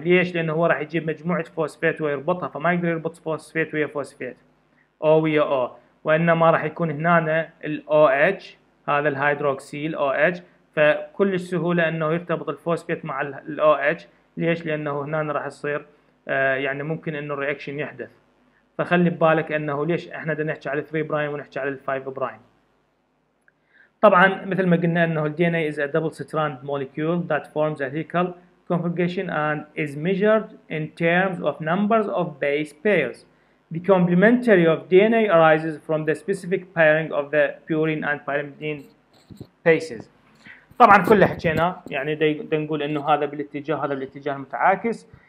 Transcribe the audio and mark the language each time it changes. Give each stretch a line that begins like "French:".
Arabic: ليش؟ لأنه هو راح يجيب مجموعة فوسفيت ويربطها، فما يقدر يربط فوسفيت ويا فوسفيت أو ويا أو، وإنما راح يكون هنا الـ OH هذا الهيدروكسيل OH، فكل السهولة أنه يرتبط الفوسفيت مع الـ OH. ليش؟ لأنه هنا راح يصير يعني ممكن أنه الرياكشن يحدث، فخلي ببالك أنه ليش إحنا دا نحكي على 3 برايم ونحكي على 5 برايم. طبعا مثل ما قلنا أنه الـ
English: DNA is a double strand molecule that forms a helical configuration and is measured in terms of numbers of base pairs. The complementarity of DNA arises from the specific pairing of the purine and pyrimidine bases.
Arabic: طبعا كل حكينا يعني دا نقول انه هذا بالاتجاه، هذا بالاتجاه المتعاكس.